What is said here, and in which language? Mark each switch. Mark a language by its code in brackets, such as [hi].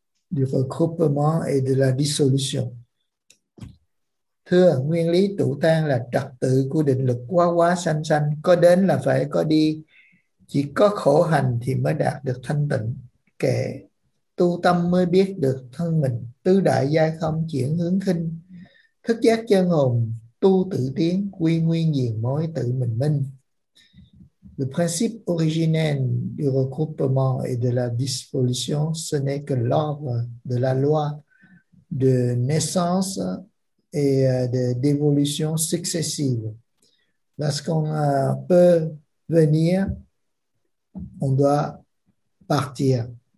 [fr] Du regroupement et de la dissolution. [vi] Thưa, nguyên lý tụ tang là trật tự của định lực quá quá sanh sanh, có đến là phải có đi, chỉ có khổ hành thì mới đạt được thanh tịnh, kệ tu tâm mới biết được thân mình, tứ đại giai không chuyển hướng khinh, thức giác chân hồn tu tự tiến, quy nguyên diện mối tự mình minh. [fr] Le principe originel du regroupement et de la dissolution, ce n'est que l'ordre de la loi de naissance et d'évolution successive. Lorsqu'on peut venir, on doit partir.